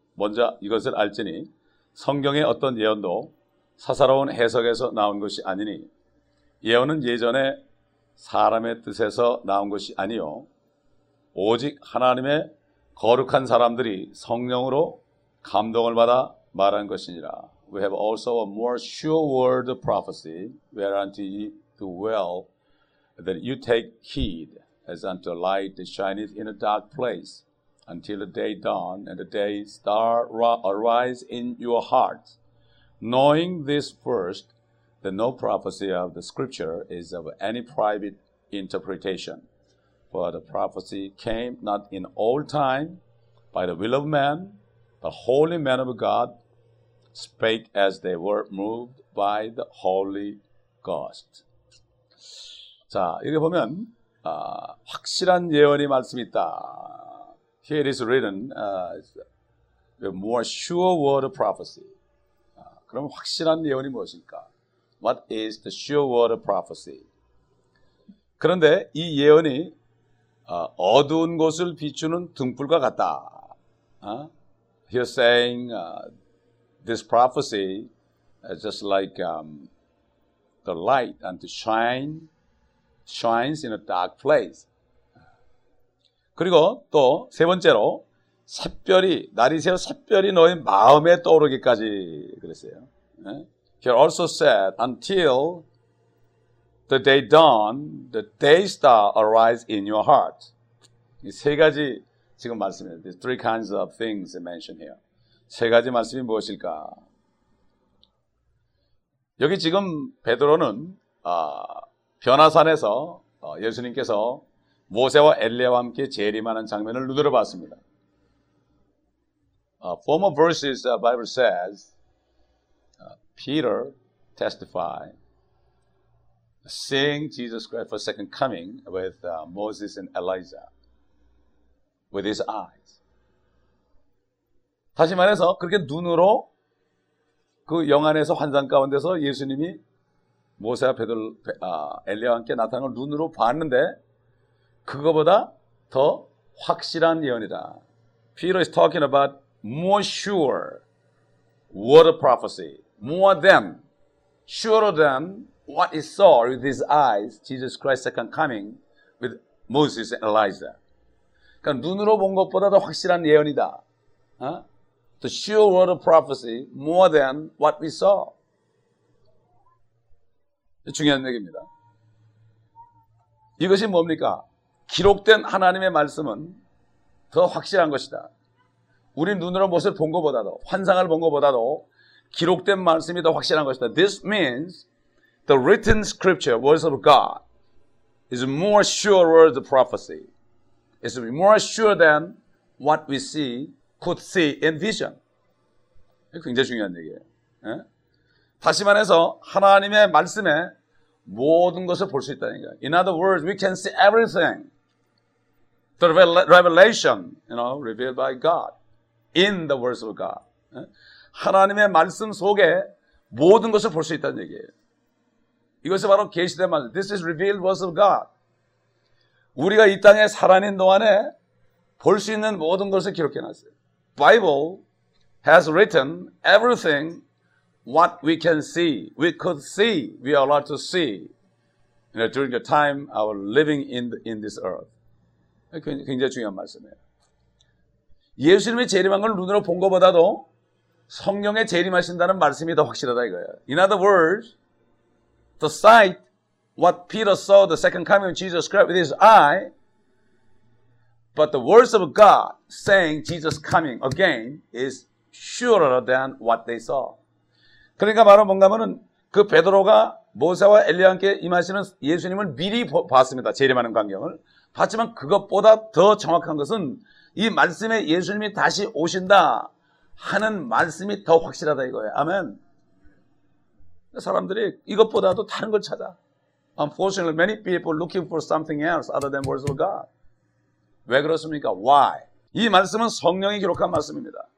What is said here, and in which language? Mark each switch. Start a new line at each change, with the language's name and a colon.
Korean: 먼저 이것을 알지니 성경의 어떤 예언도 사사로운 해석에서 나온 것이 아니니 예언은 예전에 사람의 뜻에서 나온 것이 아니요 오직 하나님의 거룩한 사람들이 성령으로 감동을 받아 말한 것이니라.
English: We have also a more sure word of prophecy whereunto ye do well that you take heed as unto a light that shineth in a dark place, until the day dawn and the day star arise in your hearts, knowing this first, that no prophecy of the Scripture is of any private interpretation. For the prophecy came not in old time by the will of man, but holy men of God spake as they were moved by the Holy Ghost.
Korean: 자, 이렇게 보면 확실한 예언이 말씀이 있다.
English: Here it is written, the more sure word of prophecy.
Korean: 그럼 확실한 예언이 무엇일까?
English: What is the sure word of prophecy?
Korean: 그런데 이 예언이 어두운 곳을 비추는 등불과 같다.
English: He is saying this prophecy is just like the light and the shines in a dark place.
Korean: 그리고 또 세 번째로 샛별이 날이 새어 샛별이 너희 마음에 떠오르기까지 그랬어요.
English: He also said until the day dawn, the day star arise in your heart.
Korean: 이 세 가지 지금 말씀해요.
English: The three kinds of things mentioned here.
Korean: 세 가지 말씀이 무엇일까? 여기 지금 베드로는 변화산에서 예수님께서 모세와 엘리야와 함께 재림하는 장면을 누드려 봤습니다.
English: Former verses the Bible says Peter testified seeing Jesus Christ for second coming with Moses and Elijah with his eyes.
Korean: 다시 말해서 그렇게 눈으로 그 영 안에서 환상 가운데서 예수님이 모세와 엘리야와 함께 나타난 걸 눈으로 봤는데 그거보다 더 확실한 예언이다.
English: Peter is talking about more sure word of prophecy. More than, surer than what he saw with his eyes, Jesus Christ's second coming with Moses and Elijah.
Korean: 그러니까 눈으로 본 것보다 더 확실한 예언이다.
English: The sure word of prophecy more than what we saw.
Korean: 중요한 얘기입니다. 이것이 뭡니까? 기록된 하나님의 말씀은 더 확실한 것이다. 우리 눈으로 무엇을 본 것보다도, 환상을 본 것보다도 기록된 말씀이 더 확실한 것이다.
English: This means the written scripture, words of God, is more sure word of prophecy. It's more sure than what we see, could see in vision.
Korean: 굉장히 중요한 얘기예요. 다시 말해서 하나님의 말씀에 모든 것을 볼 수 있다는 거예요.
English: In other words, we can see everything. The revelation, you know, revealed by God in the words of God.
Korean: 하나님의 말씀 속에 모든 것을 볼 수 있다는 얘기예요. 이것이 바로 계시된 말씀.
English: This is revealed words of God.
Korean: 우리가 이 땅에 살아있는 동안에 볼 수 있는 모든 것을 기록해 놨어요.
English: Bible has written everything what we can see, we could see, we are allowed to see, you know, during the time our living in this earth.
Korean: 굉장히 중요한 말씀이에요. 예수님의 재림한 걸 눈으로 본 것보다도 성령의 재림하신다는 말씀이 더 확실하다 이거예요.
English: In other words, the sight, what Peter saw, the second coming of Jesus Christ with his eye, but the words of God saying Jesus coming again is surer than what they saw.
Korean: 그러니까 바로 뭔가 하면은 그 베드로가 모세와 엘리야와 함께 임하시는 예수님을 미리 봤습니다. 재림하는 광경을. 하지만 그것보다 더 정확한 것은 이 말씀에 예수님이 다시 오신다 하는 말씀이 더 확실하다 이거예요. 아멘. 사람들이 이것보다도 다른 걸 찾아.
English: Unfortunately, many people looking for something else other than words of God.
Korean: 왜 그렇습니까?
English: Why?
Korean: 이 말씀은 성령이 기록한 말씀입니다.